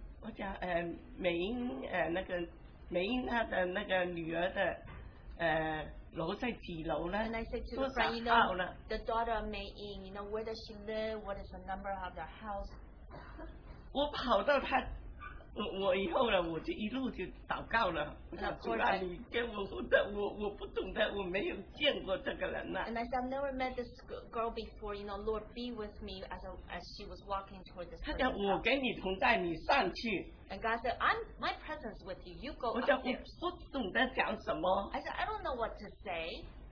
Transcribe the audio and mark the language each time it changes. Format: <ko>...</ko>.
<zh>我讲, 美英, 那个, 美英她的那个女儿的, 楼在几楼呢?</zh> <en>And I said to the friend, you know, the daughter of Mei Ying, you know, where does she live? What is the number of their house?</en> <zh>我跑到她, 我以后呢，我就一路就祷告了。主啊，你给我福德，我不懂的，我没有见过这个人呐。</zh> <en>And I said, I've never met this girl before. You know, Lord, be with me as she was walking toward this.</en> <zh>他讲我给你同在，你上去。</zh> <en>And God said, I'm my presence with you. You go up.</en> <zh>我讲我不懂得讲什么。</zh> <en>I said, I don't know what to say.</en>